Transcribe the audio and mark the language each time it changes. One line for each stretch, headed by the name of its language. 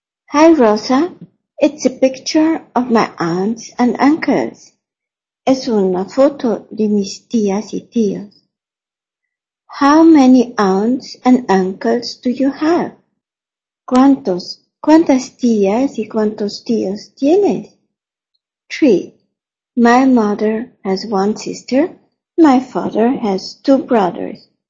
English: Hi, Rosa, it's a picture of my aunts and uncles.
Spanish: Es una foto de mis tías y tíos.
English: How many aunts and uncles do you have?
Spanish: ¿Cuántas tías y cuántos tíos tienes?
English: 3. My mother has one sister. My father has 2 brothers.